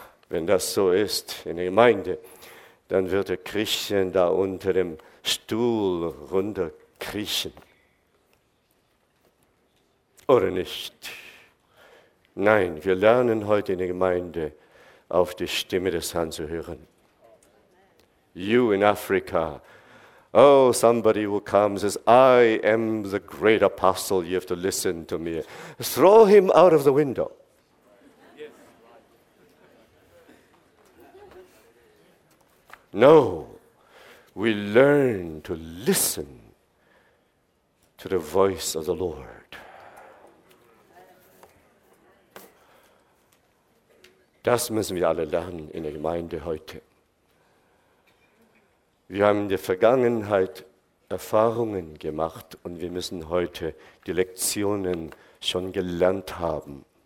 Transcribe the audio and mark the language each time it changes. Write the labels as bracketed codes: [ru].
[de] Wenn das so ist in der Gemeinde, dann wird der Christian da unter dem Stuhl runterkriechen. Oder nicht? Nein, wir lernen heute in der Gemeinde, auf die Stimme des Herrn zu hören. [en] You in Africa, oh, somebody who comes says, I am the great apostle, you have to listen to me. Throw him out of the window. No, we learn to listen to the voice of the Lord. [de] Das müssen wir alle lernen in der Gemeinde heute. Wir haben in der Vergangenheit Erfahrungen gemacht und wir müssen heute die Lektionen schon gelernt haben.